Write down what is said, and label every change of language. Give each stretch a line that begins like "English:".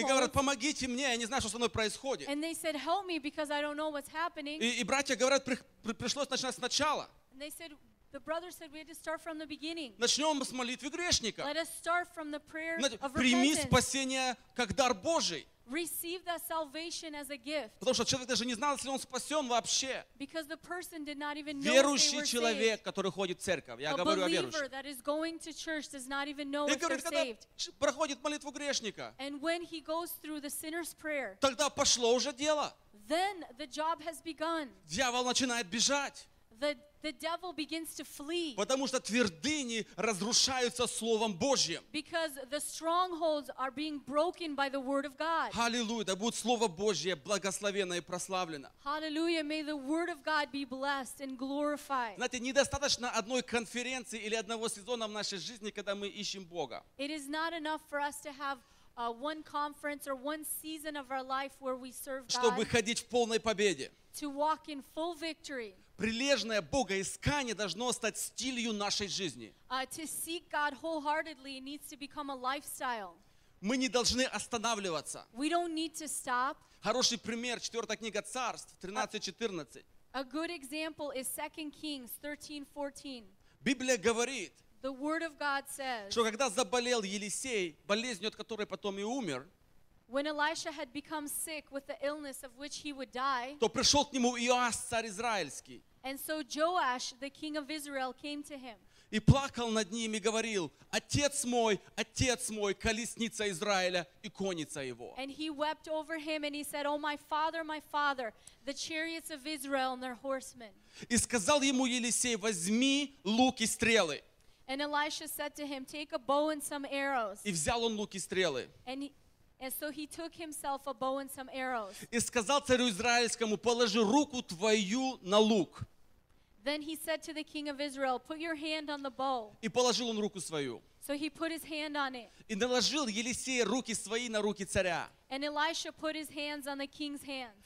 Russian: И говорят, помогите мне, я не знаю, что со мной происходит.
English: And they said, help me because I don't know what's happening.
Russian: И братья говорят, пришлось начинать сначала.
English: And they said, the brother said we had to start from the beginning.
Russian: Начнем с молитвы грешника.
English: Let us start from the prayer of repentance.
Russian: Прими спасение как дар Божий.
English: Receive that salvation as a gift.
Russian: Потому что человек даже не знал, если он спасен вообще.
English: Because the person did not even know.
Russian: Верующий человек, который ходит в церковь, я говорю о верующих.
English: A believer that is going to church does not even know if they're saved.
Russian: Проходит молитву грешника.
English: And when he goes through the sinner's prayer.
Russian: Тогда пошло уже дело.
English: Then the job has begun.
Russian: Дьявол начинает бежать.
English: The devil begins to flee.
Russian: Потому что твердыни разрушаются словом Божьим.
English: Because the strongholds are being broken by the word of God.
Russian: Аллилуйя, да будет слово Божье благословено и прославлено.
English: Hallelujah, may the word of God be blessed and glorified.
Russian: Знаете, недостаточно одной конференции или одного сезона в нашей жизни, когда мы ищем Бога.
English: It is not enough for us to have one conference or one season of our life where we serve God.
Russian: Чтобы ходить в полной победе.
English: To walk in full victory.
Russian: Прилежное богоискание должно стать стилью нашей жизни.
English: To seek God wholeheartedly needs to become a lifestyle.
Russian: Мы не должны останавливаться.
English: We don't need to stop.
Russian: Хороший пример, 4 книга Царств, 13-14.
English: A good example is 2 Kings 13-14.
Russian: Библия говорит,
English: the word of God says,
Russian: что когда заболел Елисей, болезнью, от которой потом и умер,
English: when Elisha had become sick with the illness of which he would die,
Russian: то пришел к нему Иоаш, царь израильский.
English: And so Joash, the king of Israel, came to him.
Russian: И плакал над ним и говорил, отец мой, колесница Израиля и конница его.
English: And he wept over him and he said, oh, my father, the chariots of Israel and their horsemen.
Russian: И сказал ему Елисей, возьми лук и стрелы.
English: And Elisha said to him, take a bow and some arrows.
Russian: И взял он лук и стрелы.
English: And so he took himself a bow and some arrows.
Russian: И сказал царю израильскому, положи руку твою на лук.
English: Then he said to the king of Israel, put your hand on the bow.
Russian: И положил он руку свою.
English: So he put his hand on it.
Russian: И наложил Елисей руки свои на руки царя.
English: And Elisha put his hands on the king's hands.